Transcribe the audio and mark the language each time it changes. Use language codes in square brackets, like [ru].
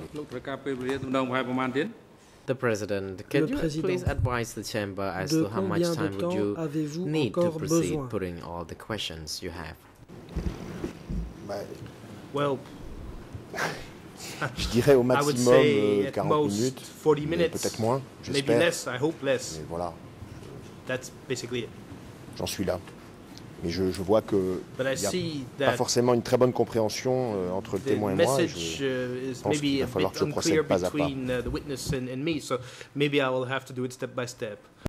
[en] The President, can you please advise the Chamber as to how much time would you need to proceed putting all the questions you have? Well, [fr] je dirais au maximum 40 minutes, peut-être moins, j'espère. [en] Maybe less, I hope less. [fr] Mais voilà. [en] That's basically it. [fr] J'en suis là. Mais je vois que il n'y a pas forcément une très bonne compréhension entre le témoin et moi. Je pense qu'il va falloir que je procède pas à pas. [en] The witness and me, so maybe I will have to do it step by step.